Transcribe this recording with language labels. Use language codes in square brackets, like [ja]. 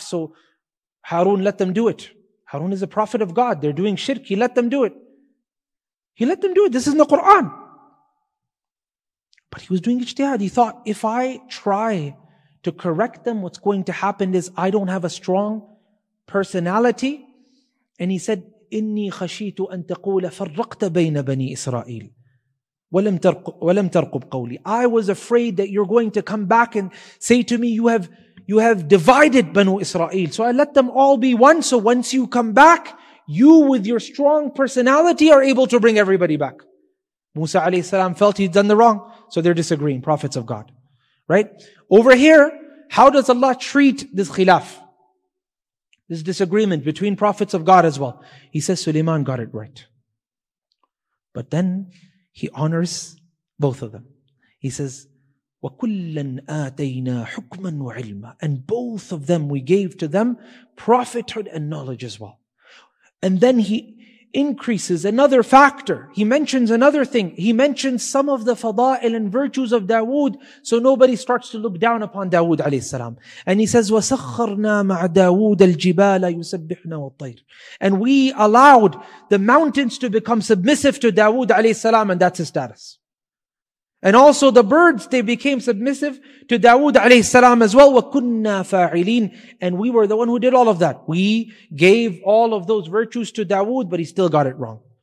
[en] So Harun let them do it. Harun is a prophet of God. They're doing shirk. He let them do it. He let them do it. This is in the Quran. But he was doing ijtihad. He thought, if I try to correct them, what's going to happen is I don't have a strong personality. And he said, [ar] إِنِّي خَشِيتُ أَن تَقُولَ فَرَّقْتَ بَيْنَ بَنِي إِسْرَائِيلِ وَلَمْ تَرْقُبْ قَوْلِي. [en] I was afraid that you're going to come back and say to me, you have divided Banu Israel. So I let them all be one. So once you come back, you with your strong personality are able to bring everybody back. Musa alayhi salam felt he'd done the wrong. So they're disagreeing, prophets of God. Right? Over here, how does Allah treat this khilaf? This disagreement between prophets of God as well. He says Sulaiman got it right. But then he honors both of them. He says, [ar] وَكُلًّا آتَيْنَا حُكْمًا وَعِلْمًا. [en] And both of them, we gave to them prophethood and knowledge as well. And then he increases another factor. He mentions another thing. He mentions some of the fada'il and virtues of Dawood, so nobody starts to look down upon Dawood alayhi salam. And he says, [ar] وَسَخَّرْنَا مَعَ دَاوُودَ الْجِبَالَ يُسَبِّحْنَا وَالطَّيْرِ. [en] And we allowed the mountains to become submissive to Dawood alayhi salam, and that's his status. And also the birds, they became submissive to Dawood alayhi salam as well. [ar] وَكُنَّا فَاعِلِينَ. [en] And we were the one who did all of that. We gave all of those virtues to Dawood, but he still got it wrong.